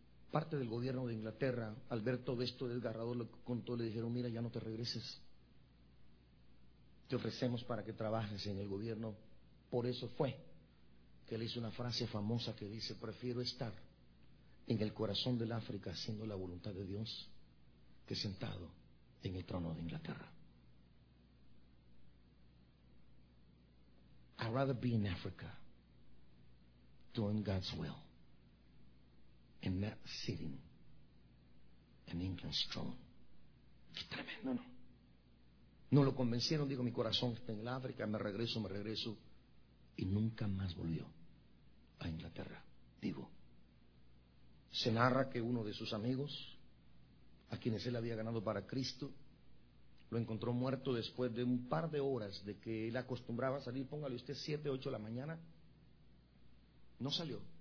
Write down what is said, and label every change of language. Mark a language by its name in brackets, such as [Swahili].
[Spanish] Parte del gobierno de Inglaterra, al ver todo esto desgarrador, lo contó, le dijeron: mira, ya no te regreses, te ofrecemos para que trabajes en el gobierno. Por eso fue que le hizo una frase famosa que dice: prefiero estar en el corazón del África haciendo la voluntad de Dios que sentado en el trono de Inglaterra. [English] I'd rather be in Africa doing God's will and not sitting in England's throne. [Spanish] Qué tremendo, ¿no? No lo convencieron, dijo: mi corazón está en el África, me regreso. Y nunca más volvió a Inglaterra, vivo. Se narra que uno de sus amigos, a quienes él había ganado para Cristo, lo encontró muerto después de un par de horas de que él acostumbraba a salir, póngale usted, 7-8 de la mañana. No salió.